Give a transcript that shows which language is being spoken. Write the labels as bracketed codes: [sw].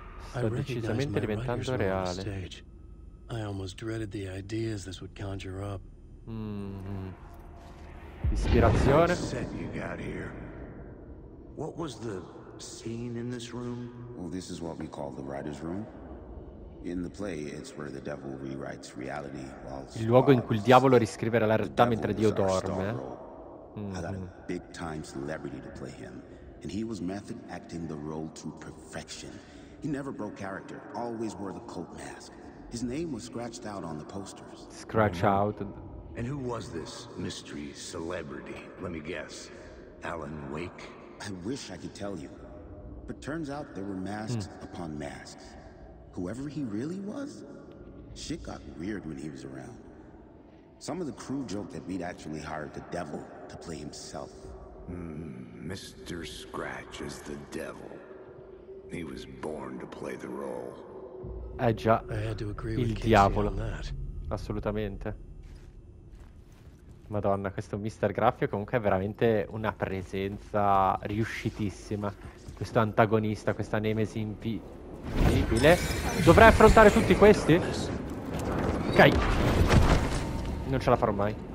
[it] Sta decisamente diventando reale. [en] I almost dreaded the ideas this would conjure up. [it] Ispirazione. [en] Set you got here. What was the scene in this room? Well, this is what we call the writer's room. In the play, it's where the devil rewrites reality. [it] Il luogo in cui il diavolo riscrive la realtà mentre Dio dorme. [en] I got a big time celebrity to play him. And he was method acting the role to perfection. He never broke character, always wore the cult mask. His name was scratched out on the posters. Scratch out. And who was this mystery celebrity? Let me guess. Alan Wake? I wish I could tell you. But turns out there were masks upon masks. Whoever he really was? Shit got weird when he was around. Some of the crew joked that we'd actually hired the devil to play himself. Mr. Scratch is the devil. He was born to play the role. Già, I had to agree with Diavolo. [it] Assolutamente. Madonna, questo Mr. Graffio comunque è veramente una presenza riuscitissima. Questo antagonista, questa nemesi invisibile. Dovrei affrontare tutti questi? Ok. Non ce la farò mai.